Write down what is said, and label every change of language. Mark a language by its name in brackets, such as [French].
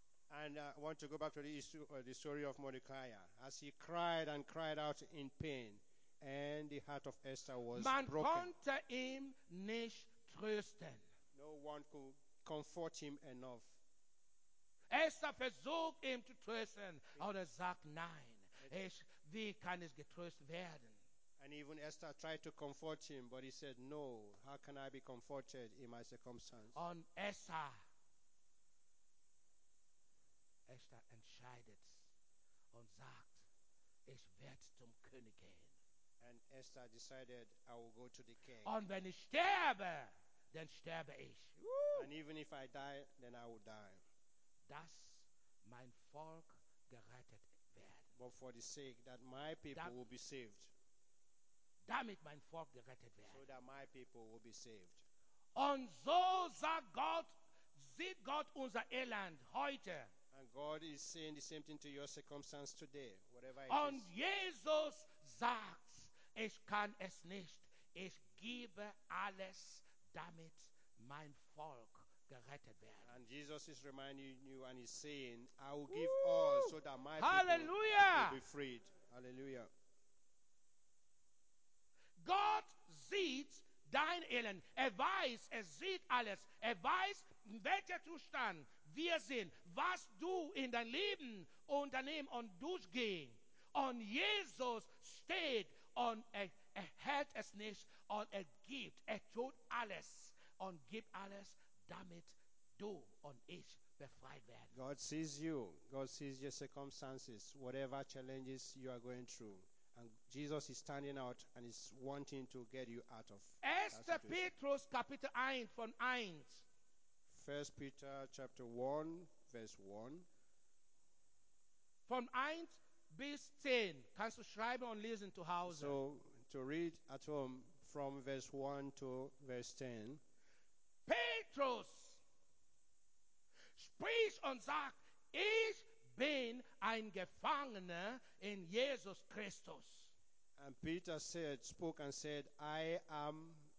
[English] And I want to go back to the issue, the story of Mordecai. As he cried and cried out in pain, and the heart of Esther was [German] man [English] broken. [German] Man konnte ihm nicht trösten. [English] No one could comfort him enough. [German] Esther versucht ihm zu trösten, aber sagt nein. Wie kann ich getröst werden? [English] And even Esther tried to comfort him, but he said, no, how can I be comforted in my circumstance? [German] Und Esther entscheidet und sagt, ich werde zum König gehen. [English] And Esther decided, I will go to the king. [German] Und wenn ich sterbe, dann sterbe ich. [English] And even if I die, then I will die. [German] Dass mein Volk gerettet wird. [English] But for the sake that my people will be saved. [German] Damit mein Volk gerettet wird. [English] So that my people will be saved. [German] Und so sagt Gott, sieht Gott unser Elend heute. [English] And God is saying the same thing to your circumstance today, whatever it [German] und [English] is. [German] Und Jesus sagt, ich kann es nicht. Ich gebe alles, damit mein Volk gerettet wird. [English] And Jesus is reminding you and he's saying, I will give all so that my Hallelujah. People will be freed. Hallelujah. [German] God sieht dein Elend. Weiß, sieht alles. Weiß, in welcher Zustand wir sind, was du in dein Leben unternehmen und durchgehen. Und Jesus steht und hält es nicht und gibt, tut alles und gibt alles, damit du und ich befreit werden. [English] God sees you. God sees your circumstances, whatever challenges you are going through. And Jesus is standing out and is wanting to get you out of [German] Esther Petrus, Kapitel 1, von 1. [English] 1 Peter chapter 1, verse 1. [German] From 1 bis 10. Kannst du schreiben und lesen zu Hause? [English] So, to read at home from verse 1 to verse 10. [German] Petrus, sprich und sag, ich bin ein Gefangener in Jesus Christus. [English] And Peter said, spoke and said, I am